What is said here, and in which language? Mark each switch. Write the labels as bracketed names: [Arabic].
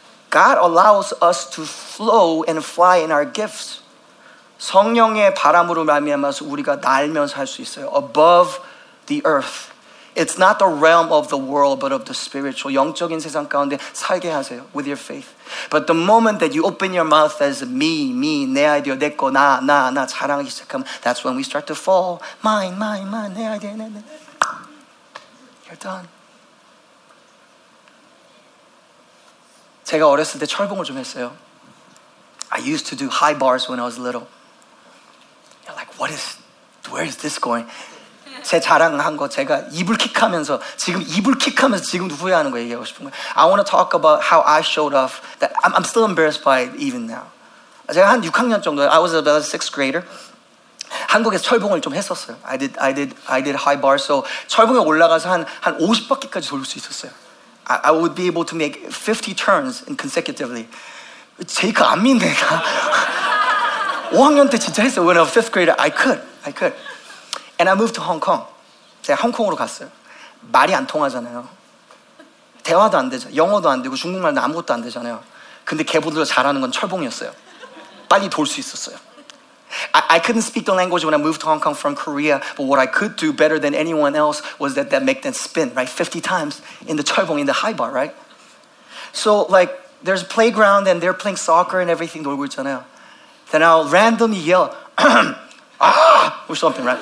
[English] God allows us to flow and fly in our gifts. [Korean] 성령의 바람으로 말미암아서 우리가 날면서 할 수 있어요. [English] Above the earth. It's not the realm of the world, but of the spiritual. [Korean] 영적인 세상 가운데 살게 하세요. [English] With your faith. But the moment that you open your mouth as me, [Korean] 내 아이디어, 내 거, 나 자랑하기 시작하면 [English] that's when we start to fall. Mine, [Korean] 내 아이디어, 내. [English] You're done. [Korean] 제가 어렸을 때 철봉을 좀 했어요. [English] I used to do high bars when I was little. You're like, where is this going? [Korean] 제 자랑한 거 제가 이불킥하면서 지금 후회하는 거 얘기하고 싶은 거예요. [English] I want to talk about how I showed off that I'm still embarrassed by it even now. [Korean] 제가 한 6학년 정도, [English] I was about a 6th grader. [Korean] 한국에서 철봉을 좀 했었어요. [English] I did high bars. [Korean] So 철봉에 올라가서 한 50바퀴까지 돌 수 있었어요. [English] I would be able to make 50 turns consecutively. [Korean] 제이크 안 믿네. 5학년 때 진짜 했어요. [English] When I was a 5th grader, I could. And I moved to Hong Kong. [Korean] 제가 홍콩으로 갔어요. 말이 안 통하잖아요. 대화도 안 되죠. 영어도 안 되고 중국말도 아무것도 안 되잖아요. 근데 걔보다 잘하는 건 철봉이었어요. 빨리 돌 수 있었어요. [English] I couldn't speak the language when I moved to Hong Kong from Korea, but what I could do better than anyone else was that make them spin, right? 50 times in the 철봉, in the high bar, right? So, like, there's a playground and they're playing soccer and everything, [Korean] 놀고 있잖아요. [English] Then I'll randomly yell, ah, or something, right?